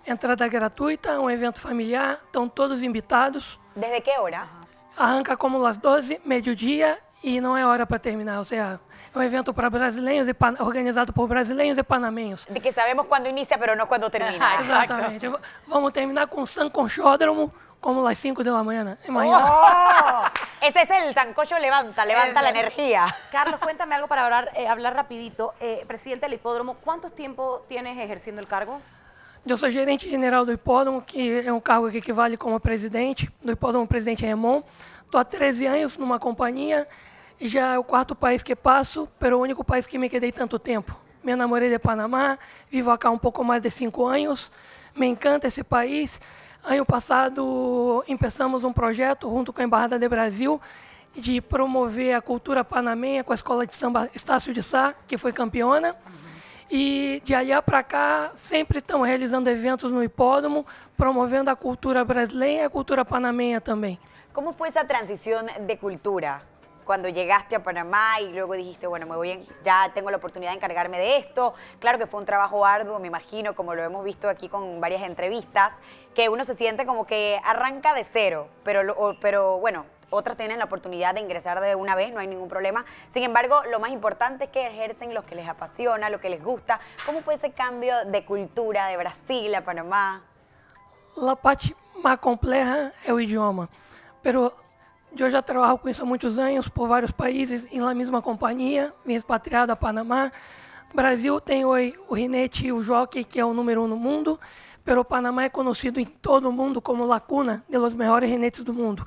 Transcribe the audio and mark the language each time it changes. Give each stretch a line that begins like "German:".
Portuguese: Entrada gratuita, um evento familiar, estão todos invitados. Desde que hora? Arranca como às 12, meio-dia, e não é hora para terminar, ou seja, é um evento para brasileiros, organizado por brasileiros e panamenhos. De que sabemos quando inicia, mas não quando termina. Exatamente. Vamos terminar com o San Conchódromo.
Spanish: Como las 5 de la mañana, imagina. ¡Oh! Ese es el sancocho levanta la energía. Carlos, cuéntame algo para hablar rapidito. Presidente del Hipódromo, ¿cuánto tiempo tienes ejerciendo el cargo? Yo soy gerente general del Hipódromo, que es un cargo que equivale como presidente del Hipódromo Presidente Remón. Estoy há 13 años en una compañía, ya es el cuarto país que paso, pero el único país que me quedé tanto tiempo. Me enamoré de Panamá, vivo acá un poco más de 5 años, me encanta ese país.
Portuguese: Ano passado, começamos um projeto junto com a Embaixada de Brasil de promover a cultura panamenha com a Escola de Samba Estácio de Sá, que foi campeona. E de ali para cá, sempre estamos realizando eventos no hipódromo, promovendo a cultura brasileira e a cultura panamenha também. Como foi essa transição de cultura?
Spanish: Cuando llegaste a Panamá y luego dijiste, bueno, ya tengo la oportunidad de encargarme de esto. Claro que fue un trabajo arduo, me imagino, como lo hemos visto aquí con varias entrevistas, que uno se siente como que arranca de cero, pero bueno, otras tienen la oportunidad de ingresar de una vez, no hay ningún problema. Sin embargo, lo más importante es que ejercen lo que les apasiona, lo que les gusta. ¿Cómo fue ese cambio de cultura de Brasil a Panamá? La parte más compleja es el idioma, pero
Portuguese: eu já trabalho com isso há muitos anos, por vários países, em la mesma companhia, me expatriado a Panamá. Brasil tem hoje o rinete e o jockey, que é o número um no mundo, mas o Panamá é conhecido em todo o mundo como
Spanish: la cuna de los mejores rinetes
Portuguese: do mundo.